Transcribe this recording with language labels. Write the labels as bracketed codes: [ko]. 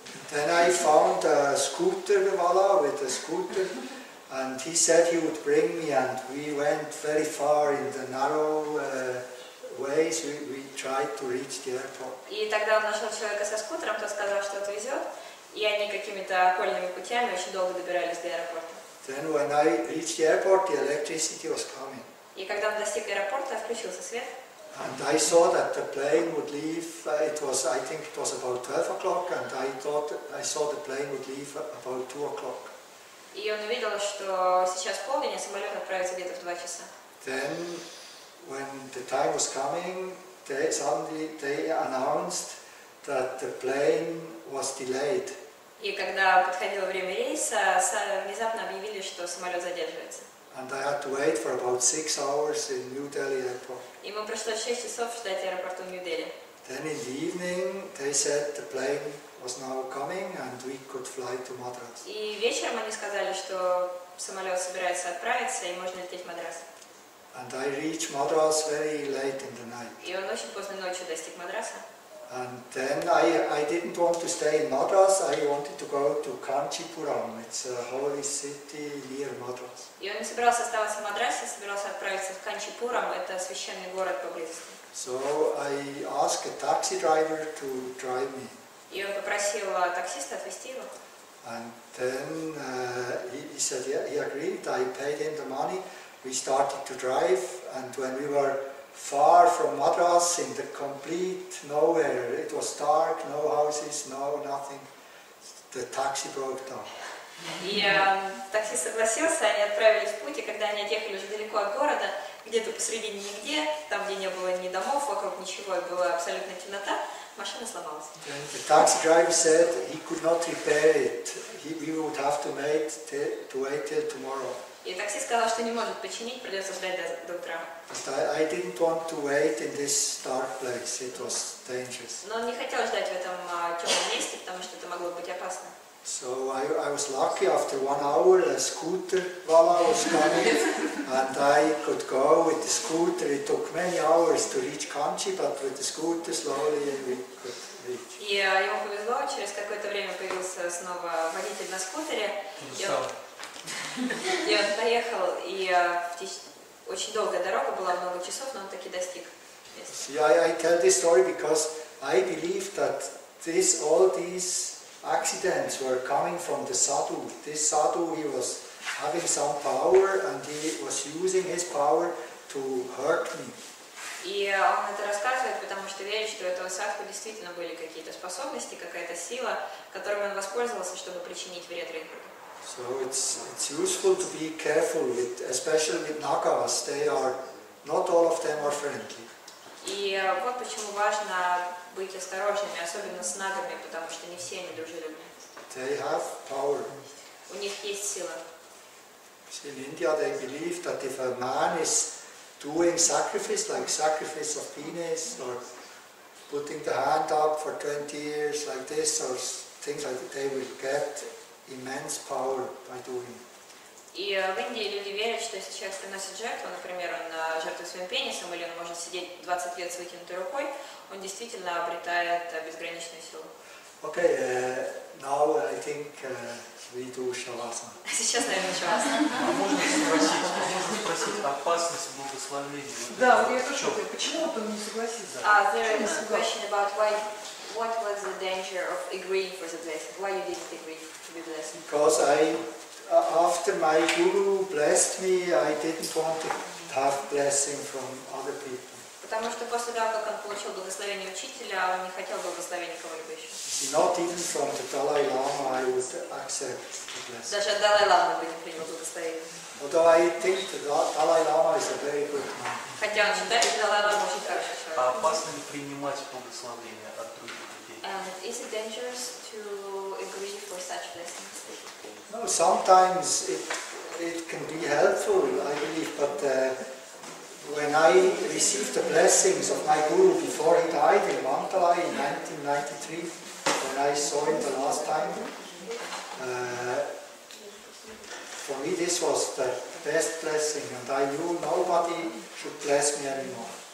[en] Then I found a scooter wala with a scooter, and he said he would bring me, and we went very far in the narrow ways. We tried to reach the airport. [ru] И тогда он нашел человека со скутером, тот сказал, что отвезет, и они какими-то окольными путями очень долго добирались до аэропорта. [en] Then when I reached the airport, the electricity was coming. [ru] И когда он достиг аэропорта, включился свет. [en] And I saw that the plane would leave. It was, I think, it was about 12 o'clock, and I thought I saw the plane would leave about 2 o'clock. [ru] И он увидел, что сейчас полдень, самолет отправится где-то в 2 часа. [en] Then, when the time was coming, they announced that the plane was delayed. [ru] И когда подходило время рейса, внезапно объявили, что самолет задерживается. [en] And I had to wait for about 6 hours in New Delhi Airport. [ru] И мы прошло 6 часов ждать аэропорта в Нью-Дели. [en] Then in the evening, they said the plane was now coming and we could fly to Madras. [ru] И вечером они сказали, что самолет собирается отправиться и можно лететь в Мадрас. [en] And I reached Madras very late in the night. [ru] И он очень поздно ночью достиг Мадраса. [en] And then I didn't want to stay in Madras. I wanted to go to Kanchipuram. It's a holy city near Madras. [ru] И он не собирался оставаться в Мадрасе, собирался отправиться в Канчипурам. Это священный город поблизости. [en] So I asked a taxi driver to drive me. [ru] И он попросил таксиста отвезти его. [en] And then he said, yeah, he agreed. I paid him the money. We started to drive, and when we were far from Madras, in the complete nowhere, it was dark, no houses, no nothing. The taxi broke down. [ru] Такси согласился, они отправились в путь, и когда они отъехали уже далеко от города, где-то посреди нигде, там где не было ни домов, вокруг ничего, была абсолютная темнота, машина сломалась. [en] Then the taxi driver said he could not repair it. We would have to wait till tomorrow. [ru] И такси сказал, что не может починить, придется ждать до утра. [en] But I didn't want to wait in this dark place. It was dangerous. [ru] Но он не хотел ждать в этом темном месте, потому что это могло быть опасно. [en] So I was lucky. After 1 hour, a scooter wala was coming, and I could go with the scooter. It took many hours to reach Kanchi, but with the scooter, slowly we could reach. [ru] Ему повезло. Через какое-то время появился снова водитель на скутере. И он поехал, и очень долгая дорога была, много часов, но он таки достиг. [en] See, I tell this story because I believe that all these accidents were coming from the sadhu. This sadhu, he was having some power, and he was using his power to hurt me. [ru] И он это рассказывает, потому что верит, что у этого садху действительно были какие-то способности, какая-то сила, которой он воспользовался, чтобы причинить вред Ринкурту. [en] So it's useful to be careful with, especially with nagas. They are not all of them are friendly. [ru] И вот почему важно быть осторожными, особенно с нагами, потому что не все они дружелюбные. [en] They have power. [ru] У них есть сила. [en] In India, they believe that if a man is doing sacrifice, like sacrifice of penis, or putting the hand up for 20 years like this, or things like that, they will get immense power by doing. [ru] И в Индии люди верят, что если человек приносит жертву, например, он жертвует своим пенисом, или он может сидеть 20 лет с вытянутой рукой, он действительно обретает безграничную силу. [en] Okay, now I think we do shavasana. [ru] Сейчас, наверное, шавасана. А можно спросить, опасность благословения? Да, я хочу сказать, почему он не согласится? [en] There is a question about why. What was the danger of agreeing for the blessing? Why you didn't agree to be blessed? Because I, after my guru blessed me, I didn't want to have blessing from other people. [ru] Потому что после того, как он получил благословение учителя, он не хотел благословения кого-либо еще. [en] Not even from the Dalai Lama I would accept the blessing. [ru] Даже от Далай Ламы бы не принял благословение. [en] Although I think the Dalai Lama is a very good man. [ru] Хотя он считает, что Далай Лама очень хороший человек. А опасно ли принимать благословение от других людей? [en] Is it dangerous to agree for such blessings? No, sometimes it can be helpful, I believe, but when I received the blessings of my guru before he died in Mandalay in 1993, when I saw him the last time, for me this was the best blessing, and I knew nobody should bless me anymore.